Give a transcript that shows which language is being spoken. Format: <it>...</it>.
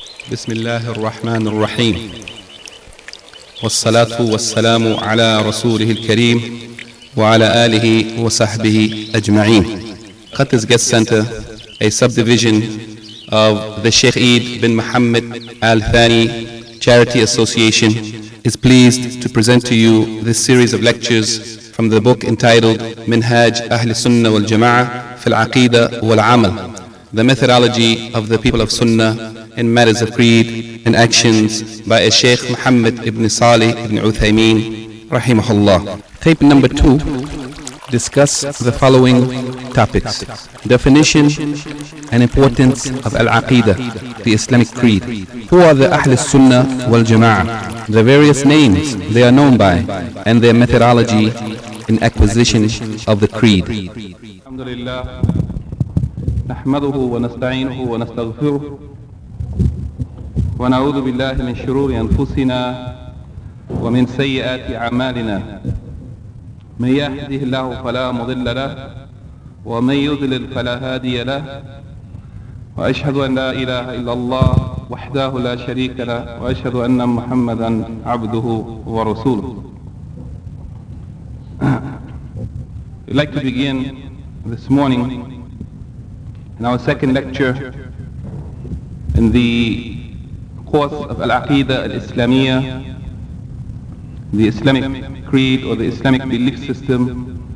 <ar>بسم الله الرحمن الرحيم، والصلاة والسلام على رسوله الكريم وعلى آله وصحبه أجمعين.</ar> <en>Qatiz Guest Center, a subdivision of the Sheikh Eid bin Muhammad Al Thani Charity Association, is pleased to present to you this series of lectures from the book entitled Minhaj Ahl Sunnah Wal Jama'ah Fil Aqeedah Wal Amal, The Methodology of the People of Sunnah in Matters of Creed and Actions, by a Sheikh Muhammad ibn Salih ibn Uthaymeen rahimahullah. Tape number 2 discuss the following topics: definition and importance of Al-Aqeedah, the Islamic creed. Who are the Ahl Sunnah wal Jama'ah? The various names they are known by and their methodology in acquisition of the creed. Alhamdulillah.</en> <ar>نحمده ونستعينه ونستغفره ونعوذ بالله من شرور أنفسنا ومن سيئات أعمالنا، من يهده الله فلا مضل له ومن يضلل فلا هادي له، وأشهد أن لا إله إلا الله وحده لا شريك له، وأشهد أن محمدا عبده ورسوله.</ar> <en>We'd like to begin this morning in our second lecture in the course of Al-Aqeedah Al-Islamiyah, the Islamic creed or the Islamic belief system,</en>